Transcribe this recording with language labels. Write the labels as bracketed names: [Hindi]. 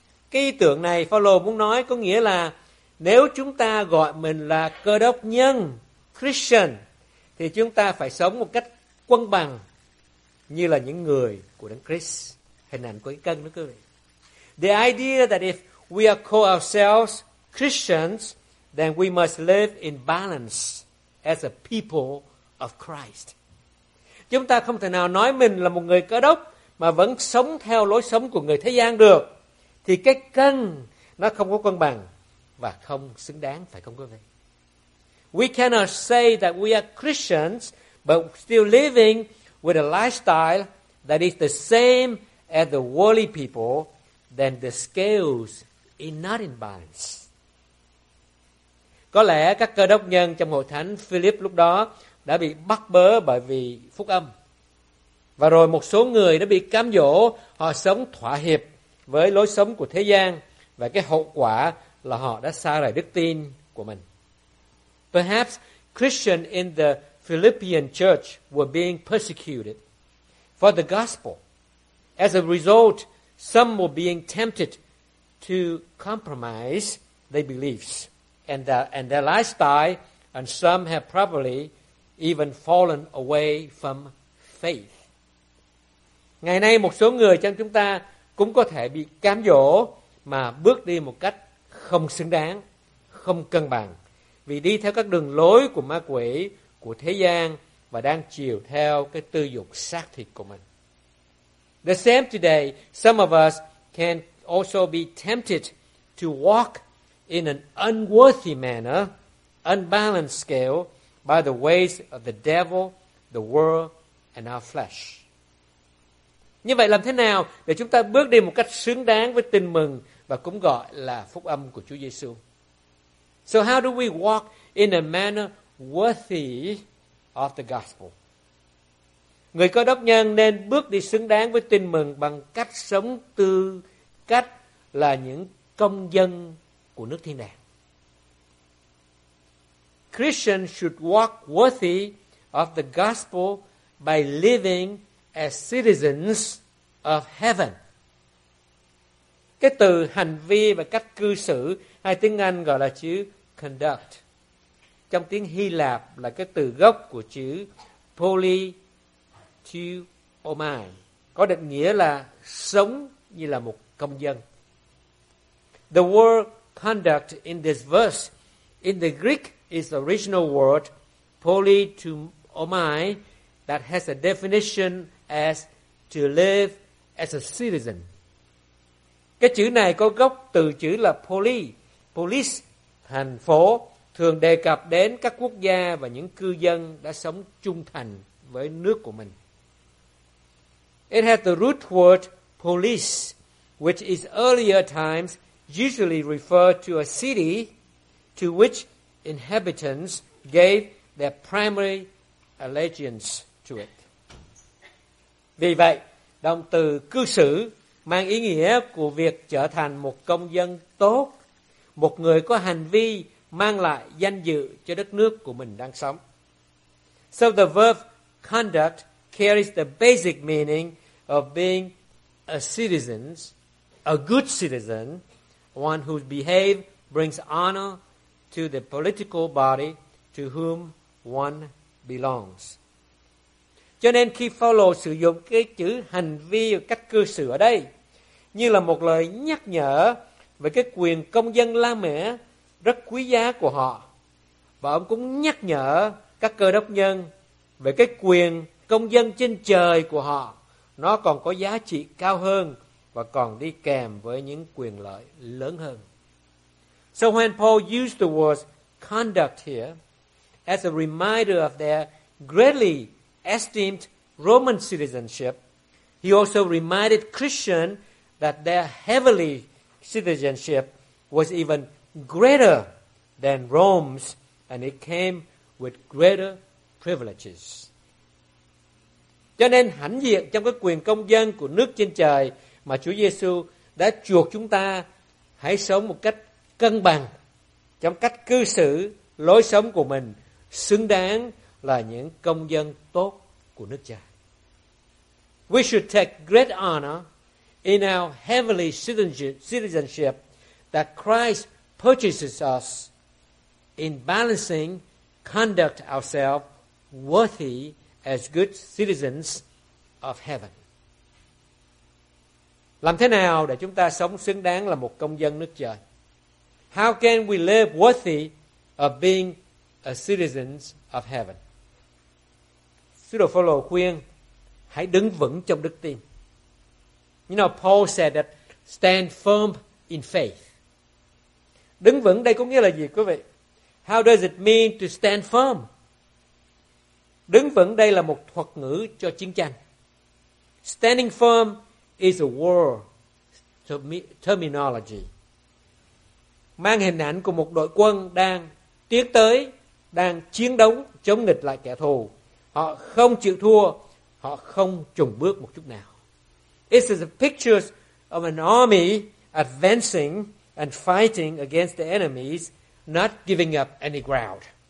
[Vietnamese] Cái ý tưởng này Phao-lô muốn nói có nghĩa là nếu chúng ta gọi mình là cơ đốc nhân, Christian, thì chúng ta phải sống một cách quân bằng như là những người của Đấng Christ. Hình ảnh của cái cân đó quý vị. [English] The idea that if we are called ourselves Christians, then we must live in balance as a people of Christ. [Vietnamese] Chúng ta không thể nào nói mình là một người cơ đốc mà vẫn sống theo lối sống của người thế gian được. Thì cái cân nó không có cân bằng và không xứng đáng, phải không quý vị? [English] We cannot say that we are Christians but still living with a lifestyle that is the same as the worldly people, then the scales is not in balance. [Vietnamese] Có lẽ các cơ đốc nhân trong hội thánh Philip lúc đó đã bị bắt bớ bởi vì phúc âm. Và rồi một số người đã bị cám dỗ, họ sống thỏa hiệp với lối sống của thế gian và cái hậu quả là họ đã xa rời đức tin của mình. [English] Perhaps Christians in the Philippian church were being persecuted for the gospel. As a result, some were being tempted to compromise their beliefs and their lifestyle, and some have probably even fallen away from faith. [Vietnamese] Ngày nay một số người trong chúng ta cũng có thể bị cám dỗ mà bước đi một cách không xứng đáng, không cân bằng, vì đi theo các đường lối của ma quỷ, của thế gian và đang chiều theo cái tư dục xác thịt của mình. [English] The same today, some of us can also be tempted to walk in an unworthy manner, unbalanced scale, by the ways of the devil, the world, and our flesh. [Vietnamese] Như vậy làm thế nào để chúng ta bước đi một cách xứng đáng với tin mừng và cũng gọi là phúc âm của Chúa Giêsu? [English] So how do we walk in a manner worthy of the gospel? [Vietnamese] Người Cơ Đốc nhân nên bước đi xứng đáng với tin mừng bằng cách sống tư cách là những công dân của nước thiên đàng. [English] Christians should walk worthy of the gospel by living as citizens of heaven. [Vietnamese] Cái từ hành vi và cách cư xử, hay tiếng Anh gọi là chữ conduct, trong tiếng Hy Lạp là cái từ gốc của chữ politeuomai, có định nghĩa là sống như là một công dân. [English] The word conduct in this verse in the Greek is the original word politeuomai that has a definition as to live as a citizen. [Vietnamese] Cái chữ này có gốc từ chữ là poli, polis, thành phố, thường đề cập đến các quốc gia và những cư dân đã sống trung thành với nước của mình. [English] It has the root word polis, which is earlier times usually referred to a city to which inhabitants gave their primary allegiance to it. [Vietnamese] Vì vậy, động từ cư xử mang ý nghĩa của việc trở thành một công dân tốt, một người có hành vi mang lại danh dự cho đất nước của mình đang sống. [English] So the verb conduct carries the basic meaning of being a citizen, a good citizen, one whose behavior brings honor to the political body to whom one belongs. [Vietnamese] Cho nên khi Phaolô sử dụng cái chữ hành vi và cách cư xử ở đây như là một lời nhắc nhở về cái quyền công dân La Mã rất quý giá của họ. Và ông cũng nhắc nhở các cơ đốc nhân về cái quyền công dân trên trời của họ. Nó còn có giá trị cao hơn và còn đi kèm với những quyền lợi lớn hơn. [English] So when Paul used the word conduct here as a reminder of their greatly esteemed Roman citizenship, he also reminded Christians that their heavenly citizenship was even greater than Rome's, and it came with greater privileges. [Vietnamese] Cho nên hãnh diện trong cái quyền công dân của nước trên trời mà Chúa Giêsu đã chuộc chúng ta, hãy sống một cách cân bằng trong cách cư xử, lối sống của mình xứng đáng là những công dân tốt của nước trời. [English] We should take great honor in our heavenly citizenship that Christ purchases us in balancing conduct ourselves worthy as good citizens of heaven. [Vietnamese] Làm thế nào để chúng ta sống xứng đáng là một công dân nước trời? [English] How can we live worthy of being a citizen of heaven? [Vietnamese] Sứ đồ Phaolô khuyên hãy đứng vững trong đức tin. [English] You know, Paul said that stand firm in faith. [Vietnamese] Đứng vững đây có nghĩa là gì quý vị? [English] How does it mean to stand firm? [Vietnamese] Đứng vững đây là một thuật ngữ cho chiến tranh. [English] Standing firm is a war terminology. [Vietnamese] mang hình ảnh của một đội quân đang tiến tới, đang chiến đấu chống nghịch lại kẻ thù. Họ không chịu thua, họ không chùn bước một chút nào. [English] It is a picture of an army advancing and fighting against the enemies, not giving up any ground.